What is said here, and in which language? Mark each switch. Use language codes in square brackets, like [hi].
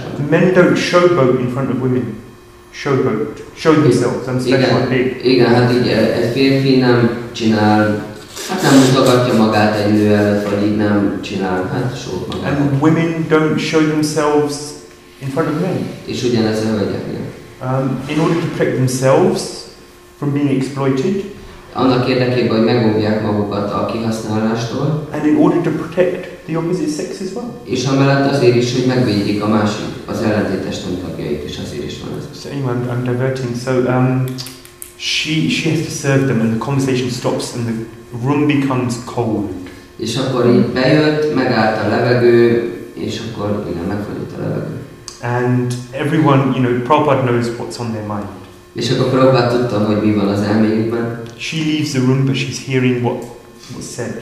[en] Men don't showboat in front of women. Show themselves. I'm special. [hu] Igen, hát így egy férfi nem csinál, hát nem mutogatja magát egy nő előtt, vagy így nem csinál, hát show magát. [en] And women don't show themselves in front of men. [hu] És ugyanez a hölgyek, igen. [en] In order to protect themselves from being exploited. [hu] Annak érdekében, hogy megóvják magukat a kihasználástól. [en] And in order to protect the opposite sex as well. [hu] És amellett azért is, hogy megvédjék a másik, az ellentétes tagjait is, azért is van ez. [en] So anyway, I'm diverting. So she has to serve them and the conversation stops and the room becomes cold. [hu] És akkor így bejött, megállt a levegő, és akkor igen, megfagyott a levegő. [en] And everyone, you know, Prabhupada knows what's on their mind. [hu] És akkor Prabhupada tudta, hogy mi van az elméjükben. [en] She leaves the room, but she's hearing what was said.